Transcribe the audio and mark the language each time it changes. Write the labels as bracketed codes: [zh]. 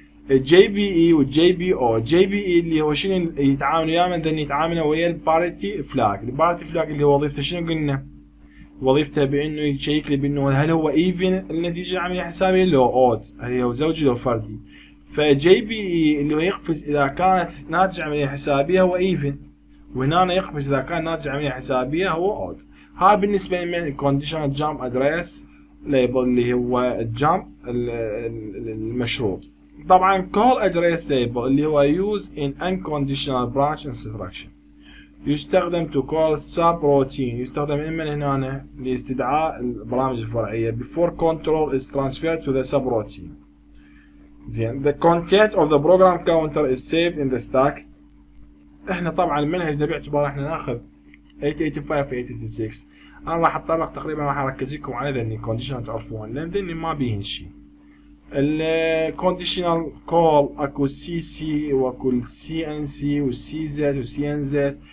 [ar] الجي بي اي والجي بي او، جي بي اي اللي هو شنو يتعامل وياه من ذني يتعامل ويا البارتي فلاج، البارتي فلاج اللي وظيفته شنو قلنا؟ وظيفته بانه يشيك لي بانه هل هو ايفن النتيجه العمليه الحسابيه لو اوت، هل هو زوجي لو فردي. فجي بي اي اللي هو يقفز اذا كانت ناتج عمليه حسابيه هو ايفن، وهنا يقفز اذا كان ناتج عمليه حسابيه هو اوت. ها بالنسبه لمن؟ الكونديشنال جامب ادريس ليبل اللي هو الجامب المشروط. [en] طبعا call address label [ar] اللي هو [en] use in unconditional branch instruction [ar] يستخدم [en] to call subroutine، [ar] يستخدم من هنا لاستدعاء البرامج الفرعية [en] before control is transferred to the subroutine. زين the content of the program counter is saved in the stack. [ar] احنا طبعا المنهج ده باعتبار احنا ناخذ 885 و 886 انا راح اتطرق تقريبا راح اركز لكم على ذني conditional تعرفون لان ذني ما بيهن شيء. الكونديشنال كول اكو سي سي واكو سي ان سي وسي زد وسي ان زد.